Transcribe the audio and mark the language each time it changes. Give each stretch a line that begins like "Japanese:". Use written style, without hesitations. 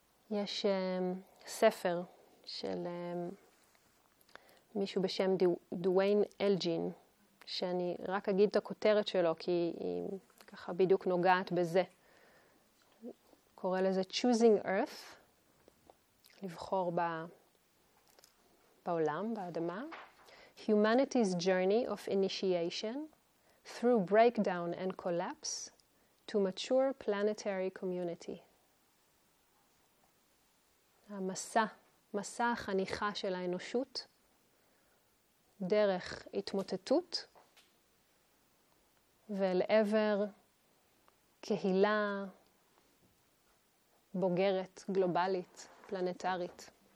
Hebrew: יש ספר של מישהו בשם דוויין אלג'ין, שאני רק אגיד את הכותרת שלו, כי היא ככה בדיוק נוגעת בזה. קורא לזה
English: Choosing Earth,
Hebrew: לבחור בעולם, באדמה.
English: Humanity's Journey of Initiation, Through Breakdown and Collapse, to Mature Planetary Community.
Hebrew: מסע החניכה של האנושות, דרך התמוטטות ואל עבר קהילה בוגרת, גלובלית, פלנטרית.